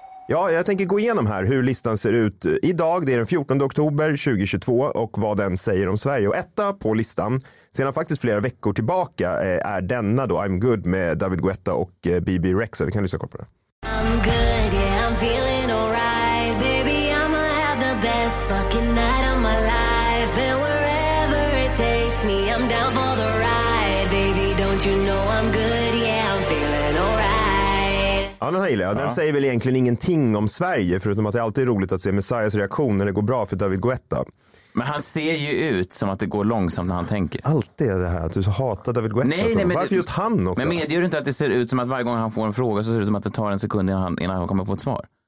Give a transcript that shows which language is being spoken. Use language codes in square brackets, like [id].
[sv] Ja, jag tänker gå igenom här hur listan ser ut idag. Det är den 14 oktober 2022 och vad den säger om Sverige. Och etta på listan, sedan faktiskt flera veckor tillbaka, är denna då, I'm Good med David Guetta och BB Rexha. Vi kan lyssna kort på det. [en] I'm good, yeah, I'm feeling alright. Baby, I'ma have the best fucking night of my life. And wherever it takes me, I'm down for the ride. Baby, don't you know I'm good, yeah, I'm feeling alright. [sv] Ja, den här gillar jag. Den säger väl egentligen ingenting om Sverige, förutom att det alltid är roligt att se Messias reaktion när det går bra för David Guetta. Men han ser ju ut som att det går långsamt när han tänker. Alltid är det här att du hatar David Guetta. Nej, varför just han också? Men medger du inte att det ser ut som att varje gång han får en fråga så ser det ut som att det tar en sekund innan han kommer på ett svar?